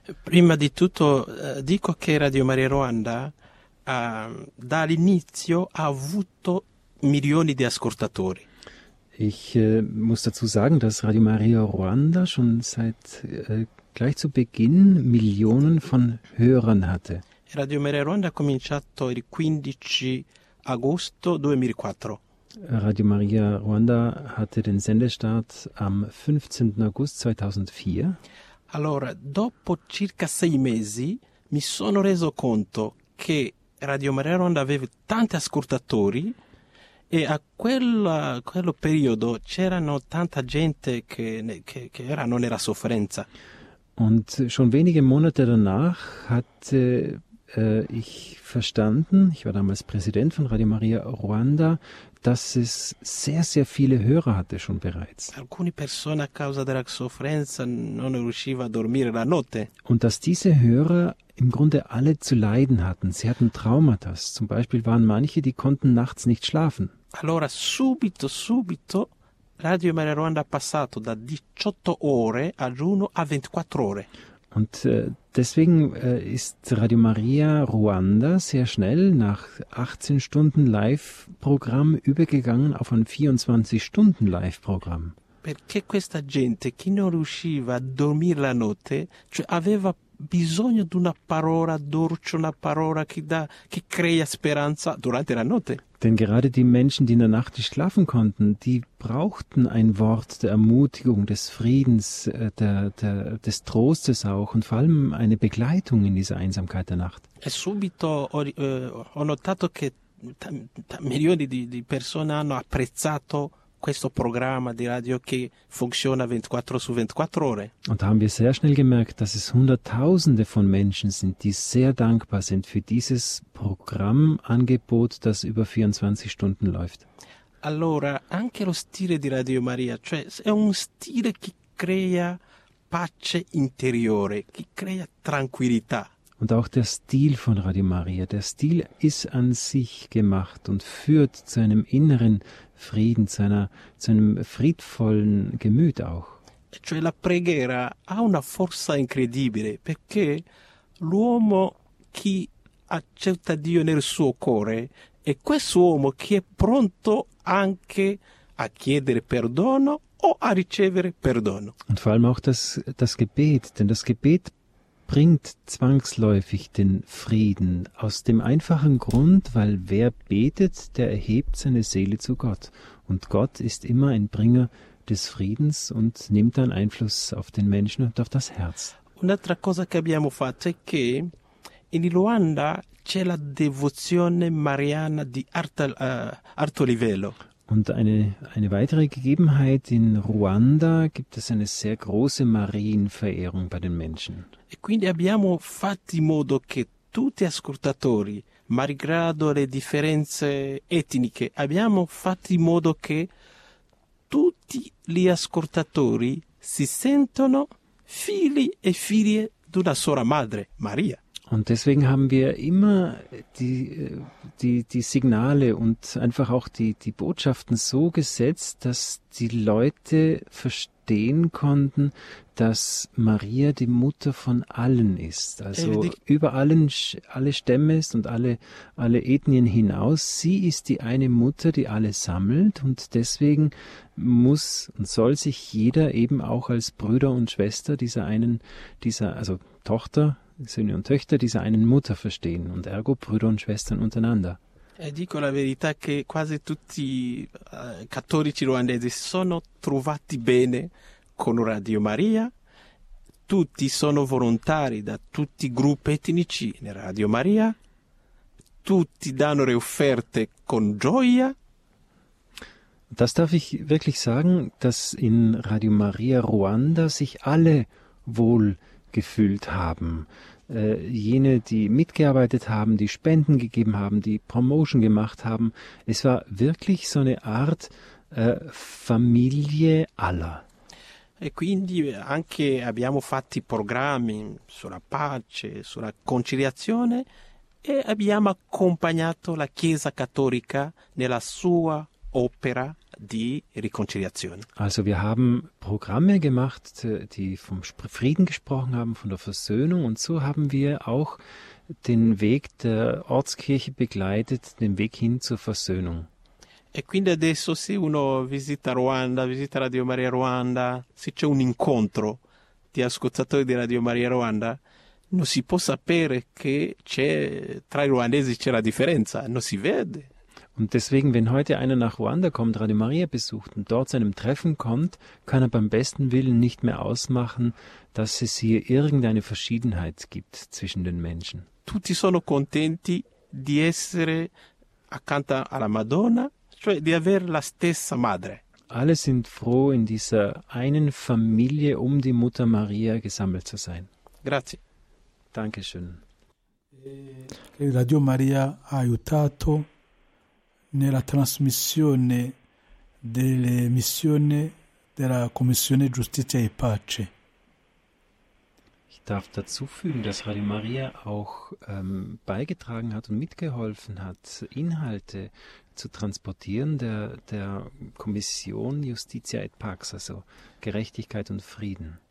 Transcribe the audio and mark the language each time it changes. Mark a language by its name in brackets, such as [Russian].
[Italian] Prima di tutto dico che Radio Maria Ruanda dall'inizio ha avuto milioni di ascoltatori. [German] Ich muss dazu sagen, dass Radio Maria Ruanda schon seit gleich zu Beginn Millionen von Hörern hatte. [Italian] Radio Maria Ruanda ha cominciato il 15 agosto 2004. [German] Radio Maria Ruanda hatte den Sendestart am 15. August 2004. [Italian] Allora, dopo circa sei mesi, mi sono reso conto che Radio Maria Ruanda aveva tanti ascoltatori e a quello periodo c'erano tanta gente che erano nella sofferenza. [German] Und schon wenige Monate danach hatte ich verstanden, ich war damals Präsident von Radio Maria Ruanda, dass es sehr, sehr viele Hörer hatte schon bereits. [Italian] Alcune persone a causa della sofferenza non riusciva a dormire la notte. [German] Und dass diese Hörer im Grunde alle zu leiden hatten. Sie hatten Traumata. Zum Beispiel waren manche, die konnten nachts nicht schlafen. [Italian] Allora subito Radio Maria Ruanda passato da 18 ore al giorno a 24 ore. [German] Und deswegen ist Radio Maria Ruanda sehr schnell nach 18 Stunden Live-Programm übergegangen auf ein 24 Stunden Live-Programm. [Italian] Perché questa gente che non riusciva a dormire la notte, cioè aveva bisogno di una parola dolce, una parola che crea speranza durante la notte. [German] Denn gerade die Menschen, die in der Nacht nicht schlafen konnten, die brauchten ein Wort der Ermutigung, des Friedens, des Trostes auch und vor allem eine Begleitung in dieser Einsamkeit der Nacht. [Italian] E subito ho notato che milioni di persone hanno apprezzato questo programma di radio che funziona 24 su 24 ore. [German] Und da haben wir sehr schnell gemerkt, dass es Hunderttausende von Menschen sind, die sehr dankbar sind für dieses Programmangebot, das über 24 Stunden läuft. [Italian] Allora, anche lo stile di Radio Maria, cioè è un stile che crea pace interiore, che crea tranquillità. [German] Und auch der Stil von Radio Maria, der Stil ist an sich gemacht und führt zu einem inneren Frieden, zu einem friedvollen Gemüt auch. [Italian] Cioè la preghiera ha una forza incredibile, perché l'uomo che accetta Dio nel suo cuore è quest'uomo che è pronto anche a chiedere perdono o a ricevere perdono. [German] Und vor allem auch das Gebet, denn das Gebet bringt zwangsläufig den Frieden, aus dem einfachen Grund, weil wer betet, der erhebt seine Seele zu Gott. Und Gott ist immer ein Bringer des Friedens und nimmt dann Einfluss auf den Menschen und auf das Herz. [Italian] Un'altra cosa che abbiamo fatto è che in Ruanda c'è la devozione mariana di alto livello. [German] Und eine weitere Gegebenheit, in Ruanda gibt es eine sehr große Marienverehrung bei den Menschen. [Italian] E quindi abbiamo fatto in modo che tutti gli ascoltatori, malgrado le differenze etniche, abbiamo fatto in modo che tutti gli ascoltatori si sentono figli e figlie di una sola madre, Maria. [German] Und deswegen haben wir immer die Signale und einfach auch die Botschaften so gesetzt, dass die Leute verstehen konnten, dass Maria die Mutter von allen ist. Also über alle Stämme ist und alle Ethnien hinaus. Sie ist die eine Mutter, die alle sammelt. Und deswegen muss und soll sich jeder eben auch als Brüder und Schwester dieser Tochter, Söhne und Töchter dieser einen Mutter verstehen und ergo Brüder und Schwestern untereinander. [Italian] E dico la verità che quasi tutti i cattolici ruandesi si sono trovati bene con Radio Maria, tutti sono volontari da tutti i gruppi etnici in Radio Maria, tutti danno le offerte con gioia. [German] Das darf ich wirklich sagen, dass in Radio Maria Ruanda sich alle wohl gefühlt haben. Jene, die mitgearbeitet haben, die Spenden gegeben haben, die Promotion gemacht haben. Es war wirklich so eine Art Familie aller. [Italian] E quindi anche abbiamo fatto i programmi sulla pace, sulla conciliazione e abbiamo accompagnato la Chiesa Cattolica nella sua opera di riconciliazione. [German] Also wir haben Programme gemacht, die vom Frieden gesprochen haben, von der Versöhnung, und so haben wir auch den Weg der Ortskirche begleitet, den Weg hin zur Versöhnung. [Italian] E quindi adesso se uno visita Ruanda, visita Radio Maria Ruanda, se c'è un incontro di ascoltatori di Radio Maria Ruanda, non si può sapere che c'è tra i ruandesi c'è la differenza, non si vede. [German] Und deswegen, wenn heute einer nach Ruanda kommt, Radio Maria besucht und dort zu einem Treffen kommt, kann er beim besten Willen nicht mehr ausmachen, dass es hier irgendeine Verschiedenheit gibt zwischen den Menschen. [Italian] Tutti sono contenti di essere accanto alla Madonna, cioè di avere la stessa madre. [German] Alle sind froh, in dieser einen Familie um die Mutter Maria gesammelt zu sein. [Italian] Grazie. [German] Dankeschön. [Italian] Radio Maria ha aiutato nella trasmissione delle missioni della Commissione Giustizia e Pace. [German] Ich darf dazu fügen, dass Radio Maria auch beigetragen hat und mitgeholfen hat, Inhalte zu transportieren der Commission Justitia et Pax, also Gerechtigkeit und Frieden.